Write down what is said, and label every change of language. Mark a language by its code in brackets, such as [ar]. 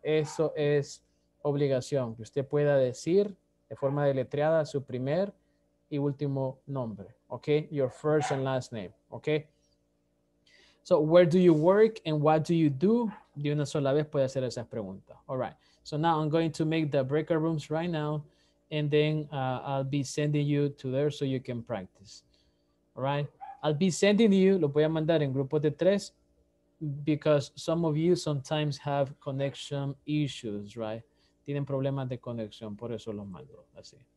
[es] Eso es obligación, que usted pueda decir de forma deletreada su primer y último nombre, okay? [en] Your first and last name, okay? So, where do you work and what do you do? [es] De una sola vez puede hacer esas preguntas. [en] All right. So, now I'm going to make the breakout rooms right now, and then I'll be sending you to there so you can practice. All right? I'll be sending you, [es] lo voy a mandar en grupos de tres, [en] because some of you sometimes have connection issues, right? [es] Tienen problemas de conexión, por eso los mando así.